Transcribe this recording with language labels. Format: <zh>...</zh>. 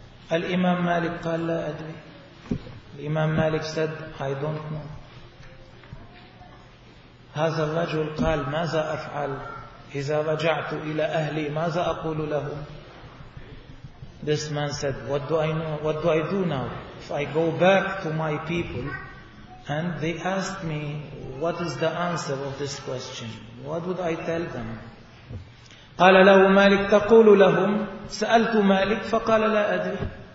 <ar>Al-Imam Malik قال لا أدري.</ar> <en>Al-Imam Malik said I don't know.</en> <ar>هذا الرجل قال ماذا أفعل إذا رجعت إلى أهلي ماذا أقول له.</ar> <en>This man said what do I do now if I go back to my people and they asked me what is the answer of this question, what would I tell them.</en> <ar>قال له مالك تقول لهم. سألت مالك فقال لا أدري.</ar>